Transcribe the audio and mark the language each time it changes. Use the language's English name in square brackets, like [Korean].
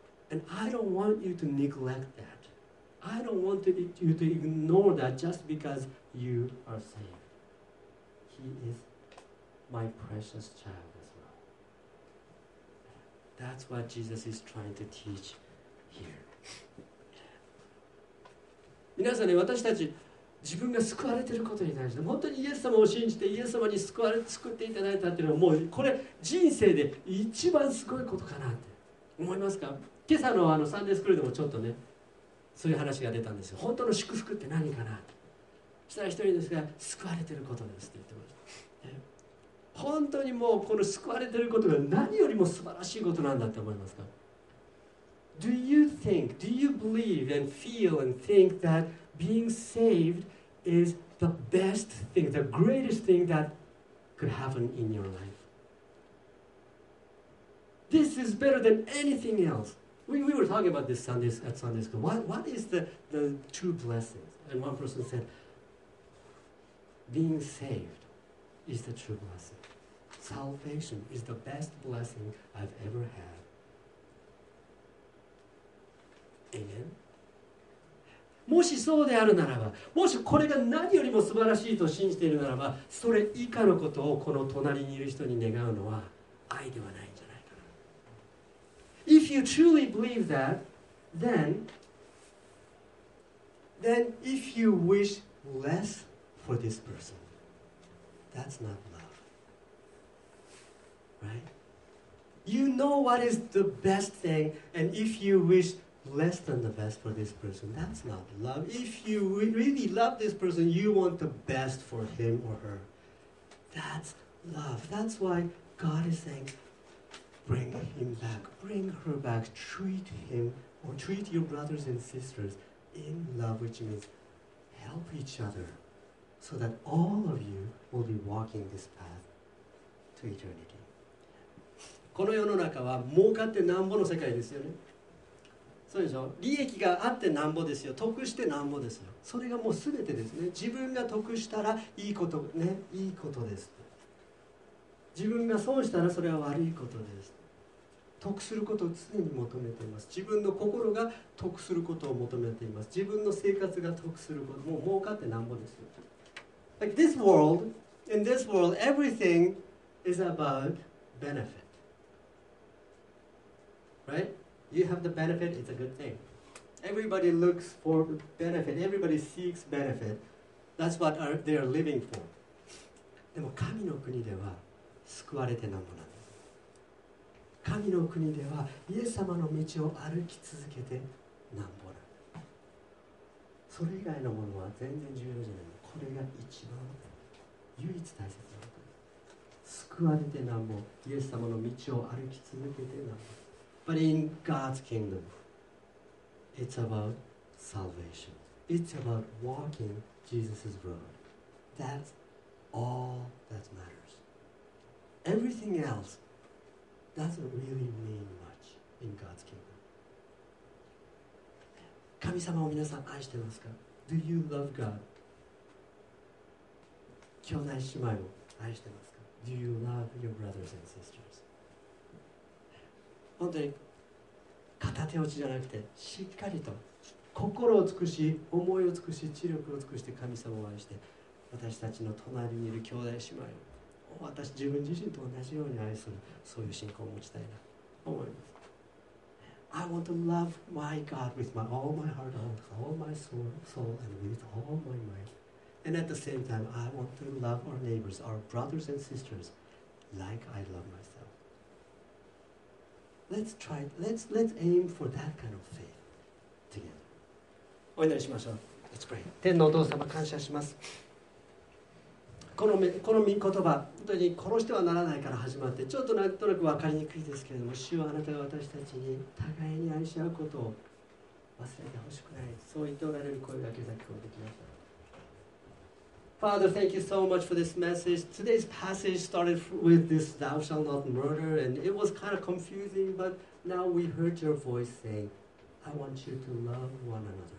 [English] And I don't want you to neglect that. I don't want you to ignore that just because you are saved. He is my precious child as well. That's what Jesus is trying to teach here. [Japanese] 皆さんね、私たち自分が救われていることに対して本当にイエス様を信じてイエス様に救っていただいたっていうのはもうこれ人生で一番すごいことかなって思いますか？今朝 のサンデースクールでもちょっとね、そういう話が出たんですよ。本当の祝福って何かな？そしたら一人ですが、救われてることですって言ってました、ね。本当にもうこの救われてることが何よりも素晴らしいことなんだって思いますか？ [English] Do you think, do you believe and feel and think that being saved is the best thing, the greatest thing that could happen in your life? This is better than anything else. We were talking about this Sunday school. What is the two blessings? And one person said, being saved is the true blessing. Salvation is the best blessing I've ever had. Amen. [Japanese] もしそうであるならば、もしこれが何よりも素晴らしいと信じているならば、それ以下のことをこの隣にいる人に願うのは愛ではないんじゃないかな。 [English] If you truly believe that, then if you wish less for this person, that's not love. Right? You know what is the best thing, and if you wishless than the best for this person. That's not love. If you really love this person, you want the best for him or her. That's love. That's why God is saying, bring him back. Bring her back. Treat him or treat your brothers and sisters in love, which means help each other so that all of you will be walking this path to eternity. [Japanese] この世の中は儲かってなんぼの世界ですよね。そうでしょ、利益があってなんぼですよ、得してなんぼですよ、それがもう全てですね。自分が得したらいいことね、いいことです。自分が損したらそれは悪いことです。得することを常に求めています。自分の心が得することを求めています。自分の生活が得すること、もう儲かってなんぼですよ。 [English] Like this world, in this world everything is about benefit, rightYou have the benefit, it's a good thing. Everybody looks for benefit. Everybody seeks benefit. That's what they are living for. [Japanese] でも神の国では救われてなんぼなんです。神の国ではイエス様の道を歩き続けてなんぼなんです。それ以外のものは全然重要じゃない。これが一番唯一大切なことです。救われてなんぼ、イエス様の道を歩き続けてなんぼ。 [English] But in God's kingdom, it's about salvation. It's about walking Jesus' road. That's all that matters. Everything else doesn't really mean much in God's kingdom. [Japanese] 神様を皆さん愛してますか? [English] Do you love God? [Japanese] 兄弟姉妹を愛してますか? [English] Do you love your brothers and sisters? [Japanese] 本当に片手落ちじゃなくて、しっかりと心を尽くし、思いを尽くし、知力を尽くして神様を愛して、私たちの隣にいる兄弟姉妹を、私自分自身と同じように愛する、そういう信仰を持ちたいなと思います。 [English] I want to love my God with my all my heart, all my soul, and with all my mind. And at the same time, I want to love our neighbors, our brothers and sisters, like I love myself. Let's aim for that kind of faith together. [Japanese] お祈りしましょう。 [English] Let's pray. [Japanese] 天のお父様、感謝します。この御言葉、本当に殺してはならないから始まって、ちょっとなんとなく分かりにくいですけれども、主はあなたが私たちに互いに愛し合うことを忘れてほしくない。そう言っておられる声が今朝聞こえてきました。 [English] Father, thank you so much for this message. Today's passage started with this thou shalt not murder, and it was kind of confusing, but now we heard your voice saying, I want you to love one another.